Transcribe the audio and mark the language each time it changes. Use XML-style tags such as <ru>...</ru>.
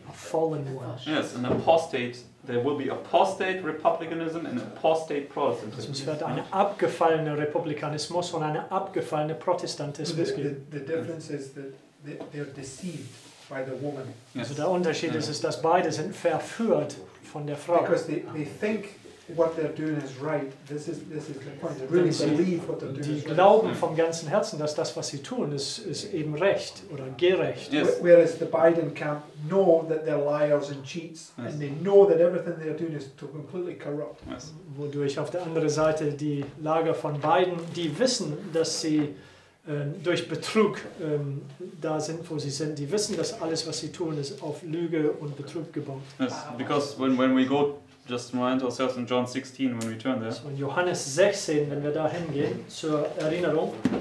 <en>A fallen one. Yes, an apostate. There will be apostate republicanism and apostate Protestantism.</en> <de>Es wird ein abgefallener Republikanismus und eine abgefallene Protestantismus geben.</de> <en>The difference is that they are deceived by the woman. Yes.</en> <de>Also der Unterschied ist, dass beide sind verführt von der Frau.</de> <en>Because they think what they're doing is right. This is the point. They really believe what they're doing.</en> <de>Die glauben vom ganzen Herzen, dass das, was sie tun, ist eben recht oder gerecht.</de> <en>Yes. Whereas the Biden camp know that they're liars and cheats, yes. And they know that everything they're doing is to completely corrupt. Yes.</en> <de>Wodurch auf der anderen Seite die Lager von Biden, die wissen, dass sie durch Betrug da sind, wo sie sind. Die wissen, dass alles, was sie tun, ist auf Lüge und Betrug gebaut.</de> <en>Yes. Because when we go. Just remind ourselves in John 16 when we turn there.</en> <de>So in Johannes 16, wenn wir da hingehen, zur Erinnerung.</de>